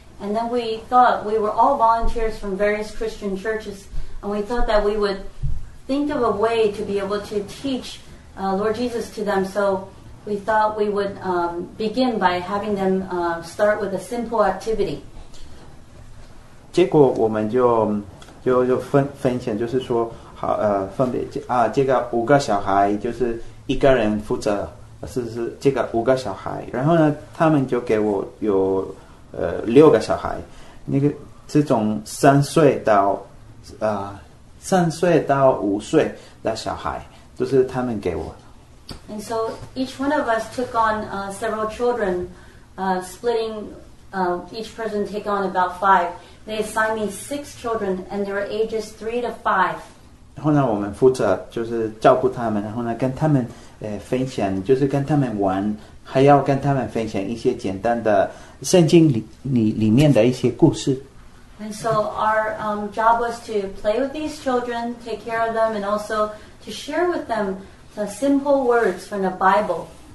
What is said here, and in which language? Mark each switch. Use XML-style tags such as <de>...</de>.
<en>And then we thought, we were all volunteers from various Christian churches, and we thought that we would think of a way to be able to teach Lord Jesus to them. So we thought we would begin by having them start with a simple activity.</en> <zh>结果我们就分享就是说 好，分别这个五个小孩，就是一个人负责，是这个五个小孩。然后呢，他们就给我有六个小孩，那个这种三岁到五岁的小孩，都是他们给我。</zh> <en>And so each one of us took on several children, splitting each person take on about five. They assigned me six children, and they were ages 3 to 5.</en> <zh>然后呢，我们负责就是照顾他们，然后呢跟他们分享，就是跟他们玩，还要跟他们分享一些简单的圣经里面的一些故事。</zh> <en>And so our job was to play with these children, take care of them, and also to share with them the simple words from the Bible.</en>